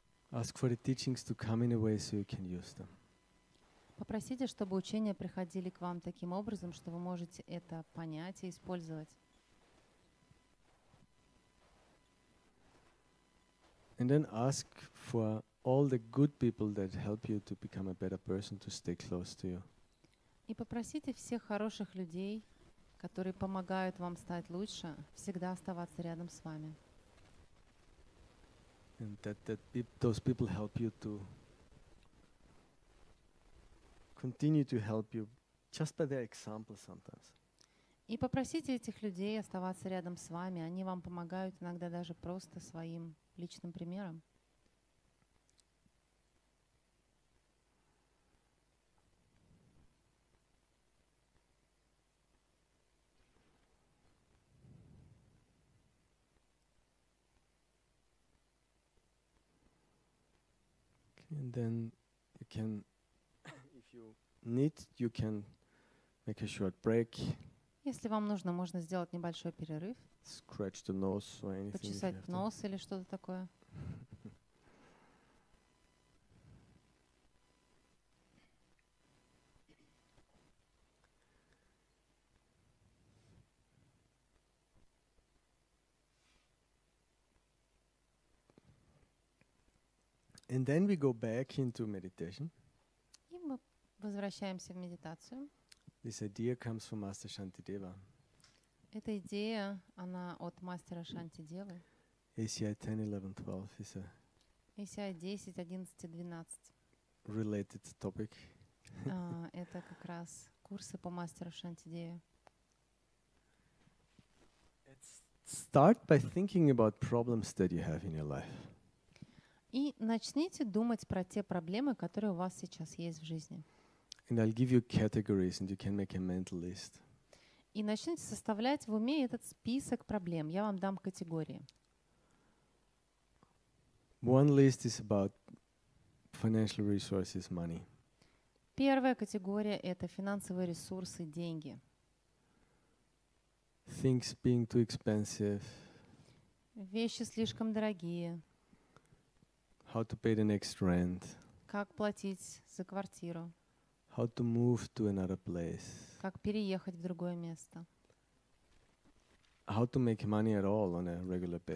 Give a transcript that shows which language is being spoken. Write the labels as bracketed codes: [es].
[en] Ask for the teachings to come in a way so you can use them. [ru] Попросите, чтобы учения приходили к вам таким образом, что вы можете это понять и использовать. [en] And then ask for all the good people that help you to become a better person to stay close to you. [ru] И попросите всех хороших людей, которые помогают вам стать лучше, всегда оставаться рядом с вами. [en] And that those people help you to continue to help you just by their example sometimes. [ru] И попросите этих людей оставаться рядом с вами. Они вам помогают иногда даже просто своим личным примером. [en] And then you can, if you need, you can make a short break. [ru] Если вам нужно, можно сделать небольшой перерыв. [en] Scratch the nose or anything. [ru] Почесать нос или что-то такое. [en] And then we go back into meditation. [ru] И мы возвращаемся в медитацию. [en] This idea comes from Master Shantideva. [ru] Эта идея, она от мастера Шантидевы. [en] ACI 10, 11, 12. Related topic. [ru] Это как раз курсы по мастеру Шантидеве. [en] Start by thinking about problems that you have in your life. [ru] И начните думать про те проблемы, которые у вас сейчас есть в жизни. [en] And I'll give you categories and you can make a mental list. [ru] И начните составлять в уме этот список проблем. Я вам дам категории. [en] One list is about financial resources, money. [ru] Первая категория — это финансовые ресурсы, деньги. [en] Things being too expensive. [ru] Вещи слишком дорогие. [en] How to pay the next rent? [ru] Как платить за квартиру? [en] How to move to another place? [ru] Как переехать в другое место? [en] How to make money at all on a regular basis?